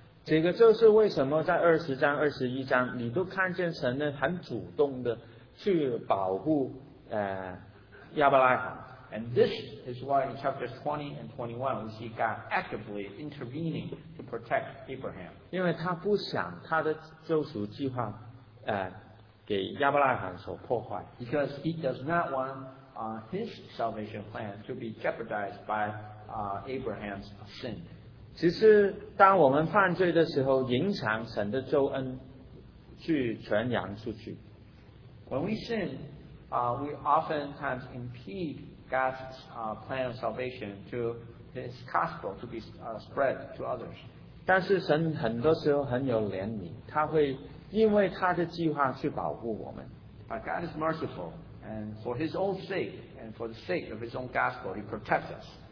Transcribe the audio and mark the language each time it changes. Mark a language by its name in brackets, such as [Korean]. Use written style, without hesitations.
[Chinese] 这个就是为什么在二十章、二十一章，你都看见神呢很主动的去保护亚伯拉罕。 [English] And this is why in chapters 20 and 21 we see God actively intervening to protect Abraham. [Chinese] 因为他不想他的救赎计划给亚伯拉罕所破坏。 [English] Because he does not want his salvation plan to be jeopardized by Abraham's sin. [Chinese] 其实当我们犯罪的时候，隐藏神的救恩去传扬出去。 [English] When we sin, we oftentimes impede God's plan of salvation to His gospel to be spread to others. [Chinese] 但是神很多时候很有怜悯，他会因为他的计划去保护我们。 [English] But God is merciful, and for His own sake and for the sake of His own gospel, He protects us.